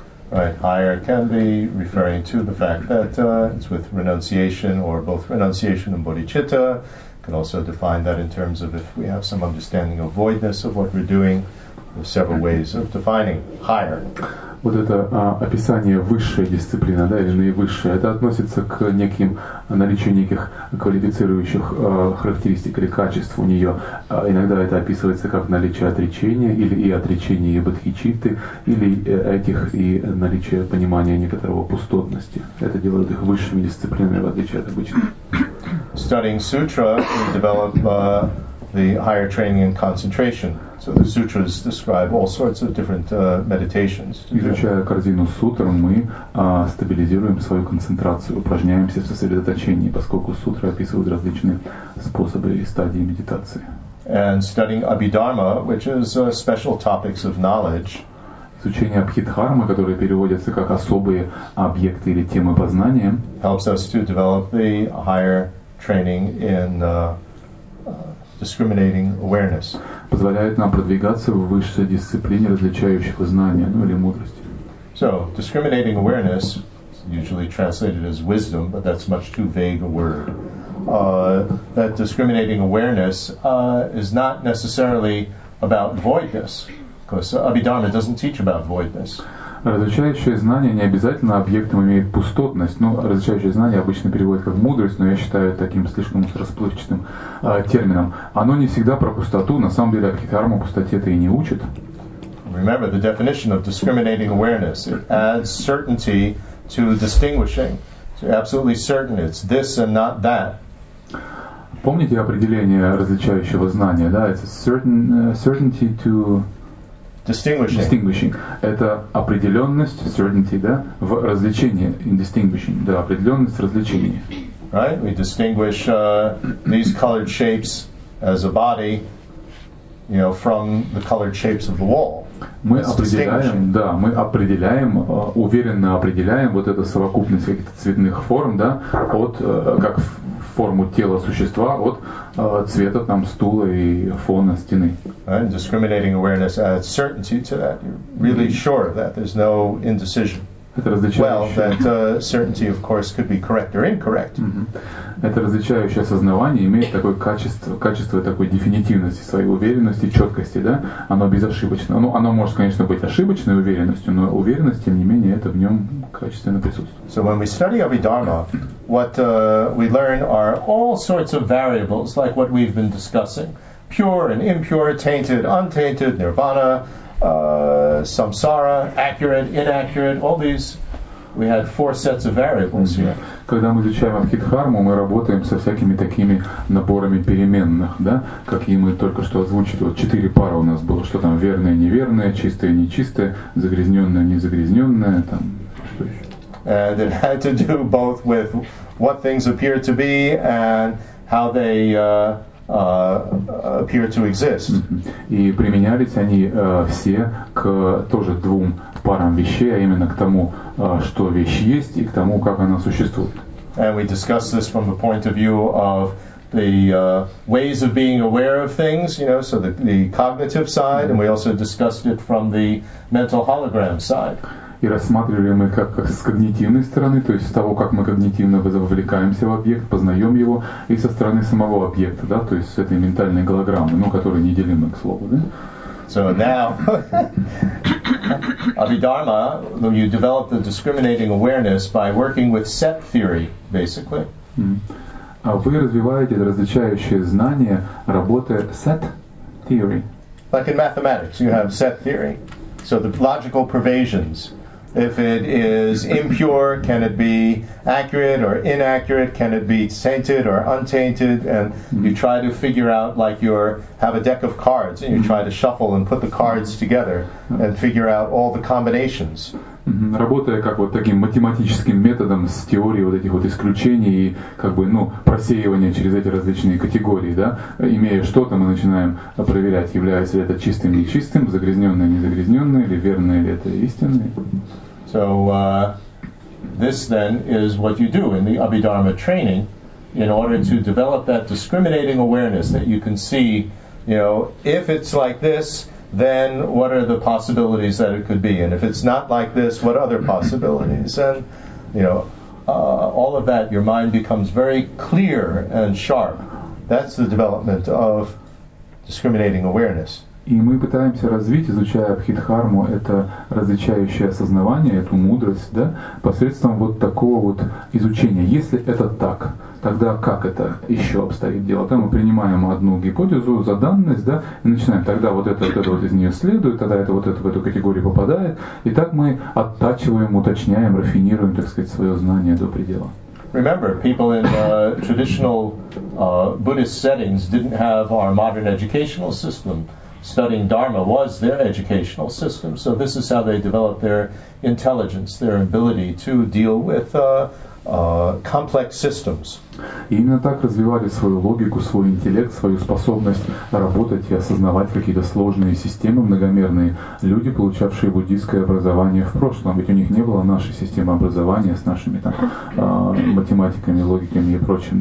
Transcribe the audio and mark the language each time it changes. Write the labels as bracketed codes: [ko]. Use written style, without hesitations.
[en] Right, higher can be referring to the fact that it's with renunciation or both renunciation and bodhicitta. Can also define that in terms of if we have some understanding of voidness of what we're doing. There's several ways of defining higher. [ru] Вот это описание высшая дисциплина, да, или наивысшая, это относится к неким наличию неких квалифицирующих характеристик или качеств у нее. Иногда это описывается как наличие отречения, или и отречения и бодхичитты, или этих и наличие понимания некоторого пустотности. Это делает их высшими дисциплинами, в отличие от обычных. [en] Studying sutra, we develop the higher training in concentration. So the sutras describe all sorts of different meditations. [ru] Изучая корзину сутр, мы стабилизируем свою концентрацию, упражняемся в сосредоточении, поскольку сутры описывают различные способы и стадии медитации. [en] And studying Abhidharma, which is special topics of knowledge. [ru] Изучение Абхидхармы, которые переводятся как особые объекты или темы познания, [en] helps us to develop the higher training in discriminating awareness. [ru] Позволяет нам продвигаться в высшей дисциплине различающего знания, ну или мудрости. [en] So, discriminating awareness, usually translated as wisdom, but that's much too vague a word. That discriminating awareness is not necessarily about voidness, because Abhidharma doesn't teach about voidness. [ru] Различающее знание не обязательно объектом имеет пустотность. Ну, различающее знание обычно переводят как мудрость, но я считаю таким слишком расплывчатым термином. Оно не всегда про пустоту. На самом деле, Абхидхарма пустоте-то и не учит. [en] Remember the definition of discriminating awareness. It adds certainty to distinguishing. So you're absolutely certain it's this and not that. [ru] Помните определение различающего знания, да? [en] It's a certainty to... Distinguishing. [ru] Это определенность, [en] certainty, [ru] да, в различении, [en] in distinguishing, [ru] да, определенность в различении. [en] Right? We distinguish these colored shapes as a body, you know, from the colored shapes of the wall. [ru] Мы определяем, да, мы определяем, уверенно определяем вот эту совокупность каких-то цветных форм, да, от, как форму тела существа, от цвета там стула и фона стены. [en] And discriminating awareness adds certainty to that. You're really sure that there's no indecision. [ru] Это различающее. [en] Well, that certainty, of course, could be correct or incorrect. [ru] Это различающее осознавание имеет такое качество такой дефинитивности, своей уверенности, четкости, да? Оно безошибочно. Ну, оно может, конечно, быть ошибочной уверенностью, но уверенность, тем не менее, это в нем качественно присутствует. [en] So when we study Abhidharma, what we learn are all sorts of variables, like what we've been discussing. Pure and impure, tainted, untainted, nirvana, samsara, accurate, inaccurate, all these, we had four sets of variables here. [ru] Когда мы изучаем Абхидхарму, мы работаем со всякими такими наборами переменных, да, какие мы только что озвучили. Вот четыре пары у нас было, что там верное, неверное, чистое, нечистое, загрязненное, незагрязненное, там, что еще? [en] And it had to do both with what things appear to be and how they... appear to exist. [ru] И применялись они все к тоже двум парам вещей, а именно к тому, что вещь есть, и к тому, как она существует. [en] And we discussed this from the point of view of the ways of being aware of things, you know, so the cognitive side, and we also discussed it from the mental hologram side. [ru] И рассматривали мы как с когнитивной стороны, то есть с того, как мы когнитивно вовлекаемся в объект, познаем его, и со стороны самого объекта, да, то есть с этой ментальной голограммы, ну, которая неделима, к слову, да? [en] So now, a Abhidharma, you develop the discriminating awareness by working with set theory, basically. [ru] Вы развиваете различающие знания, работая set theory. [en] Like in mathematics, you have set theory. So the logical pervasions. If it is impure, can it be accurate or inaccurate? Can it be tainted or untainted? And you try to figure out, like you have a deck of cards, and you try to shuffle and put the cards together and figure out all the combinations. [ru] Работая как вот таким математическим методом с теорией вот этих вот исключений и как бы, ну, просеивания через эти различные категории, да, имея что-то, мы начинаем проверять, является ли это чистым или нечистым, загрязненное или незагрязненное, или верное ли это истинное. [en] So, this then is what you do in the Abhidharma training in order to develop that discriminating awareness that you can see, you know, if it's like this, then what are the possibilities that it could be? And if it's not like this, what other possibilities? And, you know, all of that, your mind becomes very clear and sharp. That's the development of discriminating awareness. [ru] И мы пытаемся развить, изучая Абхидхарму, это различающее осознавание, эту мудрость, да, посредством вот такого вот изучения. Если это так, тогда как это еще обстоит дело? Там мы принимаем одну гипотезу за данность, да, и начинаем, тогда вот это вот из нее следует, тогда это вот это в эту категорию попадает. И так мы оттачиваем, уточняем, рафинируем, так сказать, свое знание до предела. [en] Remember, people in traditional Buddhist settings didn't have our modern educational system. Studying Dharma was their educational system, so this is how they developed their intelligence, their ability to deal with complex systems. [ru] Именно так развивали свою логику, свой интеллект, свою способность работать и осознавать какие-то сложные системы, многомерные люди, получавшие буддийское образование в прошлом. Ведь у них не было нашей системы образования с нашими там математиками, логиками и прочим.